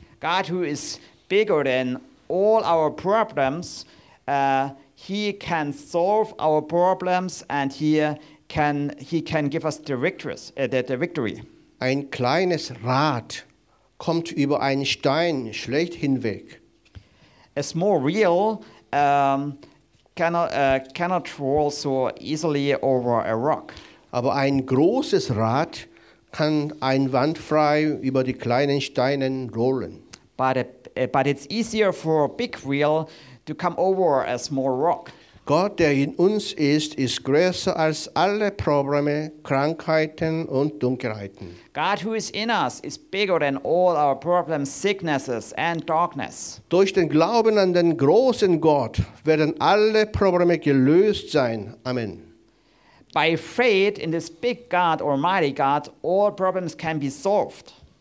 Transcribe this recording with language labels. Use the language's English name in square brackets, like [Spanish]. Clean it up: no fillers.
[English] God who is bigger than all our problems, he can solve our problems and he can give us the victory. [German] Ein kleines Rad kommt über einen Stein schlecht hinweg. [English] A small wheel cannot roll so easily over a rock. [German] Aber ein großes Rad kann einwandfrei über die kleinen Steine rollen. [English] But it's easier for a big wheel to come over a small rock. [German] Gott, der in uns ist, ist größer als alle Probleme, Krankheiten und Dunkelheiten. [English] God who is in us is bigger than all our problems, sicknesses and darkness. [German] Durch den Glauben an den großen Gott werden alle Probleme gelöst sein. Amen. [English] By faith in this big God, almighty God, all problems can be solved.